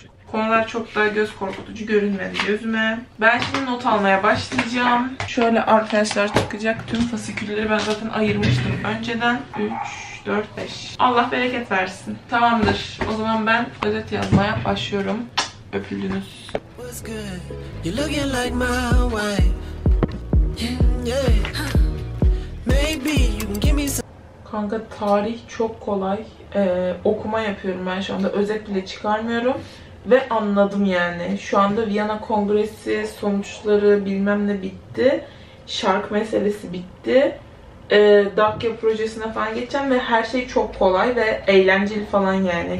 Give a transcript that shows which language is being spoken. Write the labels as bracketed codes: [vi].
[tr] Konular çok daha göz korkutucu görünmedi gözüme. Ben şimdi not almaya başlayacağım. Şöyle arkadaşlar çıkacak tüm fasikülleri ben zaten ayırmıştım önceden. 3, 4, 5. Allah bereket versin. Tamamdır. O zaman ben özet yazmaya başlıyorum. Öpüldünüz. [en] You looking like my wife. Maybe you can give me some. [tr] Kanka tarih çok kolay. Okuma yapıyorum ben şu anda. Özet bile çıkarmıyorum ve anladım yani. Şu anda Viyana Kongresi sonuçları bilmem ne bitti. Şark meselesi bitti. Dakya projesine falan geçeceğim ve her şey çok kolay ve eğlenceli falan yani.